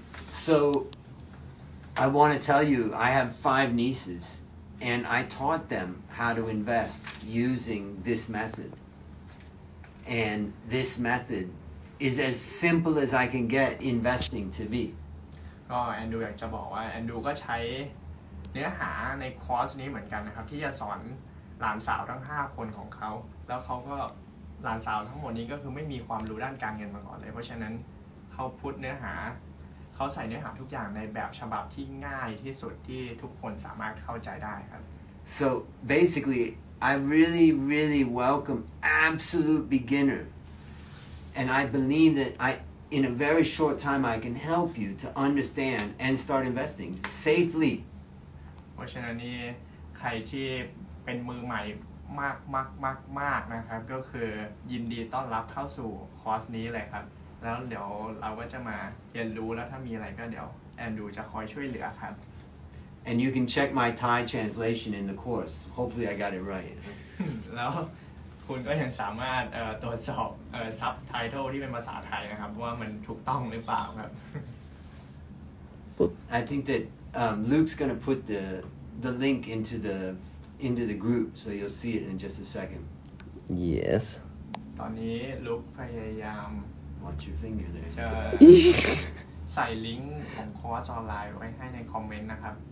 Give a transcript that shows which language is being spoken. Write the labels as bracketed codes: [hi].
[en] So, I want to tell you, I have 5 nieces, and I taught them how to invest using this method. And this method is as simple as I can get investing to be. [th] ก็แอนดูอยากจะบอกว่าแอนดูก็ใช้เนื้อหาในคอร์สนี้เหมือนกันนะครับที่จะสอนหลานสาวทั้ง5คนของเขาแล้วเขาก็หลานสาวทั้งหมดนี้ก็คือไม่มีความรู้ด้านการเงินมาก่อนเลยเพราะฉะนั้นเขาพูดเนื้อหาเขาใส่เนื้อหาทุกอย่างในแบบฉบับที่ง่ายที่สุดที่ทุกคนสามารถเข้าใจได้ครับ [en] So basically I really really welcome absolute beginner and I believe that in a very short time, I can help you to understand and start investing safely. [th] เพราะฉะนั้นนี่ใครที่เป็นมือใหม่มากมากมากมากนะครับก็คือยินดีต้อนรับเข้าสู่คอร์สนี้เลยครับแล้วเดี๋ยวเราก็จะมาเรียนรู้แล้วถ้ามีอะไรก็เดี๋ยวแอนดูจะคอยช่วยเหลือครับ [en] And you can check my Thai translation in the course. Hopefully, I got it right. [th] แล้วคุณก็ยังสามารถตรวจสอบซับไตเติลที่เป็นภาษาไทยนะครับว่ามันถูกต้องหรือเปล่าครับ [en] I think that Luke's going to put the link into the group so you'll see it in just a second. Yes. [th] ตอนนี้ลุคพยายาม [en] Watch your finger there. [th] จะใส่ลิงก์ของคอร์สออนไลน์ไว้ให้ในคอมเมนต์นะครับ